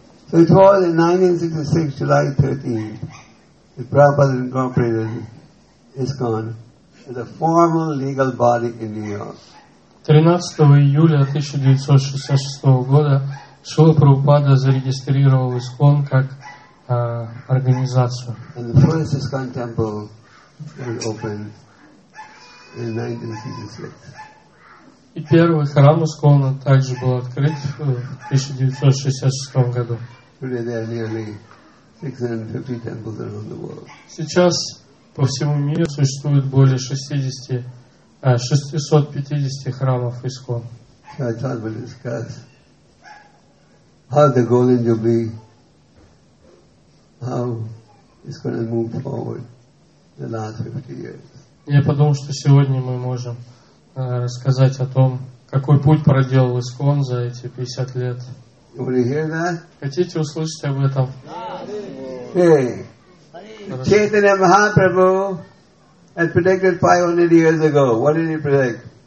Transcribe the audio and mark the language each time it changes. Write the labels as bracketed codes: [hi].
[en] So it was in 1966, July 13th, the Prabhupada incorporated ISKCON as a formal legal body in New York. [ru] 13 июля 1966 года Шрила Прабхупада зарегистрировал ISKCON как организацию. [en] And the first ISKCON temple was opened in 1966. [ru] И первый храм ISKCON также был открыт в 1966 году. [en] Today there are nearly 650 temples around the world. [ru] Сейчас по всему миру существует более 650 храмов ISKCON. [en] So I thought we'll discuss how the Golden Jubilee, how it's going to move forward. The last 50 years. [ru] Я подумал, что сегодня мы можем рассказать о том, какой путь проделал ISKCON за эти 50 лет. [en] Would you hear that? [ru] Хотите услышать об этом? [en] Chaitanya Mahaprabhu had predicted 500 years ago. What did he predict?